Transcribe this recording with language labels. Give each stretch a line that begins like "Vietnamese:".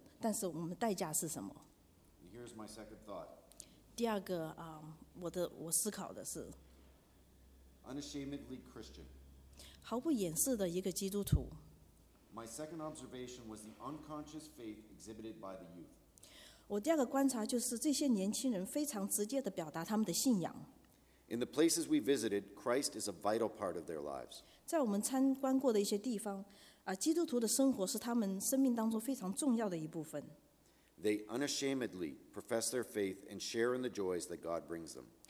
Chinese: 也许我们在物质上是很富有的，但是我们代价是什么？
English: And here's my second thought.
Chinese: 第二个, 我思考的是。
English: Unashamedly Christian.
Chinese: 毫不掩饰的一个基督徒。
English: My second observation was the unconscious faith exhibited by the youth.
Chinese: 我第二个观察就是这些年轻人非常直接地表达他们的信仰。
English: In the places we visited, Christ is a vital part of their lives.
Chinese: 在我们参观过的一些地方, 基督徒的生活是他们生命当中非常重要的一部分。
English: They unashamedly profess their faith and share in the joys that God brings them.